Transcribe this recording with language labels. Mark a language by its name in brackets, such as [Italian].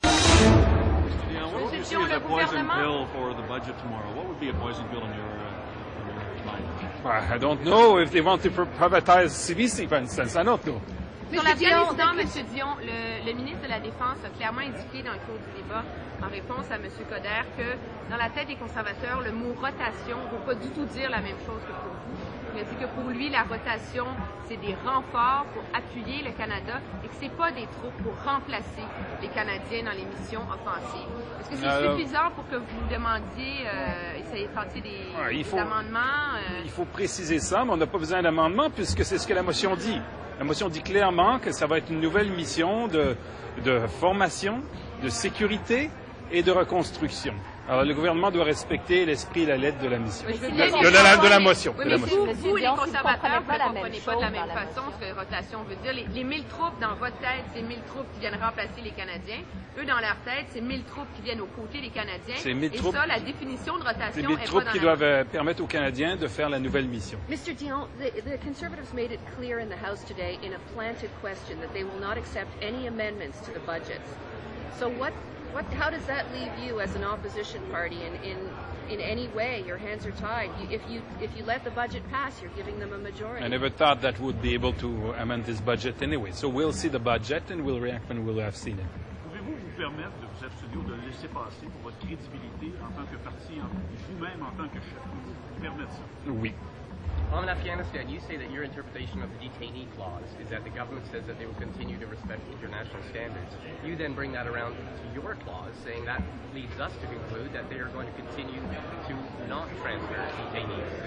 [English] is a poison pill for the budget tomorrow. What would be a poison pill in your mind? I don't know if they want to privatize CBC, for instance. I don't know. [French] Monsieur Dion, le ministre de la Défense a clairement indiqué dans le cours du débat, en réponse à Monsieur Coderre, que dans la tête des conservateurs, le mot rotation ne veut pas du tout dire la même chose que pour vous. Il a dit que pour lui, la rotation, c'est des renforts pour appuyer le Canada et que ce n'est pas des troupes pour remplacer les Canadiens dans les missions offensives. Est-ce que c'est suffisant pour que vous demandiez, essayer de faire des amendements? Il faut préciser ça, mais on n'a pas besoin d'amendements puisque c'est ce que la motion dit. La motion dit clairement que ça va être une nouvelle mission de formation, de sécurité et de reconstruction. Alors, le gouvernement doit respecter l'esprit et la lettre de la mission. De la motion. Oui, mais vous, les conservateurs, vous ne comprenez pas de la même façon ce que rotation veut dire. Les 1000 troupes dans votre tête, c'est 1000 troupes qui viennent remplacer les Canadiens. Eux, dans leur tête, c'est 1000 troupes qui viennent aux côtés des Canadiens. C'est 1000 troupes. Et ça, la définition de rotation, c'est 1000 troupes qui doivent permettre aux Canadiens de faire la nouvelle mission. [English] Mr. Dion, the conservatives made it clear in the House today in a planted question that they will not accept any amendments to the budgets. So what, how does that leave you as an opposition party in any way? Your hands are tied. If you let the budget pass, you're giving them a majority. I never thought that we'd be able to amend this budget anyway. So we'll see the budget and we'll react when we'll have seen it. [French] Pouvez-vous vous permettre de vous abstenir de laisser passer pour votre crédibilité en tant que parti, vous-même en tant que chef? Vous permettre ça? Oui. [English] Amin Afghanistan, you say that your interpretation of the detainee clause is that the government says that they will continue to respect international standards. You then bring that around to your clause, saying that leads us to conclude that they are going to continue to not transfer detainees.